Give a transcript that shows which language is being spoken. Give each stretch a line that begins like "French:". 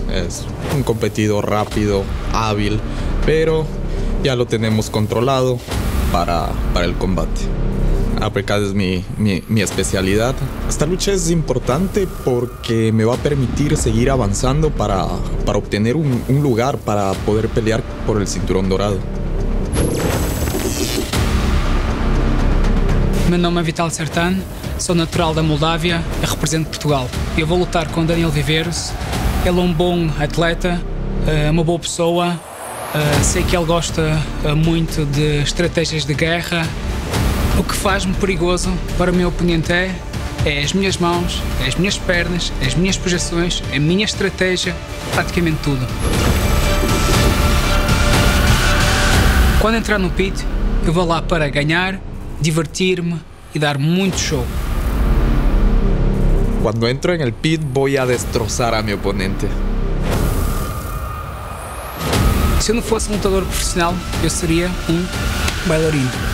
Spanish: Es un competidor rápido, hábil, pero ya lo tenemos controlado para el combate. Uppercut es mi especialidad. Esta lucha es importante porque me va a permitir seguir avanzando para obtener un lugar para poder pelear por el cinturón dorado.
Portuguese: Meu nome é Vitalie Certan, sou natural da Moldávia e represento Portugal. Eu vou lutar com Daniel Viveros. Ele é um bom atleta, uma boa pessoa. Sei que ele gosta muito de estratégias de guerra. O que faz-me perigoso, para o meu oponente, é as minhas mãos, é as minhas pernas, é as minhas projeções, é a minha estratégia, praticamente tudo. Quando entrar no pit, eu vou lá para ganhar, divertir-me e dar muito show.
Spanish: Quando entro en el pit, voy a destrozar a mi oponente.
Portuguese: Se eu não fosse lutador profissional, eu seria um bailarino.